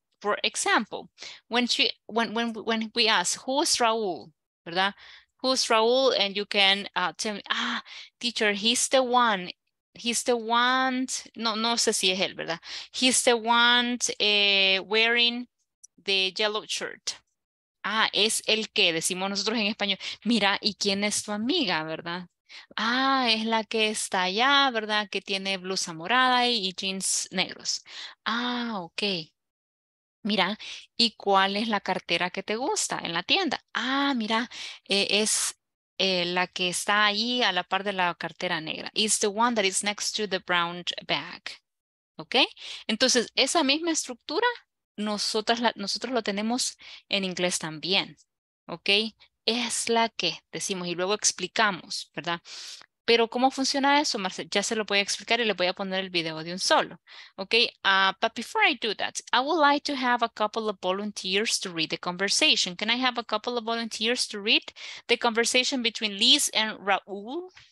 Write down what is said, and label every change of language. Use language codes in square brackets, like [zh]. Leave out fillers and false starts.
[en] For example, when we ask, who's Raul, ¿verdad? Who's Raul? And you can tell me, ah, teacher, he's the one wearing the yellow shirt. [es] Ah, es el que, decimos nosotros en español. Mira, ¿y quién es tu amiga, verdad? Ah, es la que está allá, ¿verdad? Que tiene blusa morada y jeans negros. Ah, ok. Mira, ¿y cuál es la cartera que te gusta en la tienda? Ah, mira, la que está ahí a la par de la cartera negra. [en] It's the one that is next to the brown bag. [es] Ok, entonces esa misma estructura nosotros lo tenemos en inglés también. Ok, es la que decimos y luego explicamos, ¿verdad? Pero ¿cómo funciona eso, Marcel? Ya se lo voy a explicar y le voy a poner el video de un solo. [en] Ok, but before I do that, I would like to have a couple of volunteers to read the conversation. Can I have a couple of volunteers to read the conversation between Liz and Raul?